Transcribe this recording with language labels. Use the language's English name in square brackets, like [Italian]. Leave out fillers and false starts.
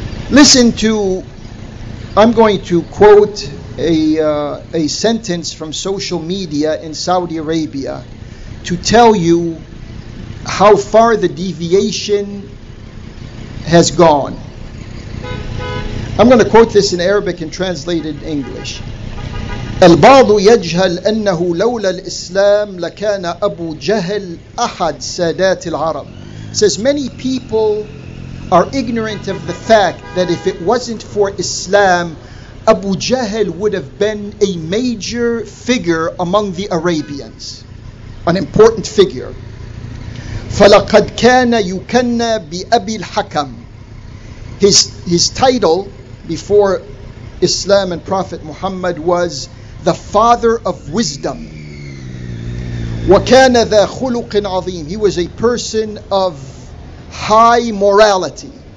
[English] Listen to, I'm going to quote a sentence from social media in Saudi Arabia to tell you how far the deviation has gone. I'm going to quote this in Arabic and translate it in English. [Arabic] البعض يجهل أنه لولا الإسلام لكان أبو جهل أحد سادات العرب. [English] Says many people are ignorant of the fact that if it wasn't for Islam, Abu Jahl would have been a major figure among the Arabians, an important figure. [Arabic] فلقد كان يكنى بأبي الحكم. [English] His title before Islam and Prophet Muhammad was the father of wisdom. [Arabic] وَكَانَ ذَا خُلُقٍ عَظِيمٍ. [English] He was a person of high morality.